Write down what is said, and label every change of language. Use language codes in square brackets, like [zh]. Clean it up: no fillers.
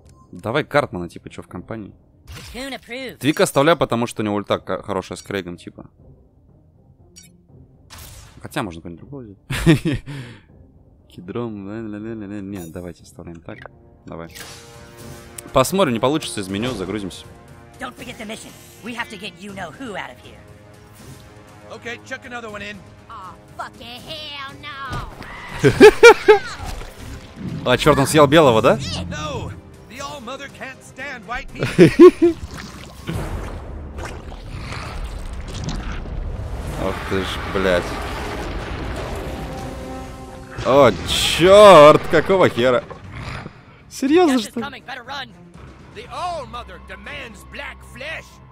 [ru] Давай Картмана, типа, что в компании? Твика оставляю, потому что у него ульта хорошая с Крейгом, типа. Хотя можно кого-нибудь другого взять. Кедром, нет, давайте оставляем так. Давай. Посмотрим, не получится, изменю, загрузимся. [en] Don't forget the mission. We have to get you-know-who out of here. Okay, chuck another one in. Oh, fucking hell no. [ru] А черт, он съел белого, да? [en] No, the all mother can't stand white meat. [ru] Ох ты ж, блядь. О, черт, какого хера? Серьезно, что? [en] The all mother demands black flesh.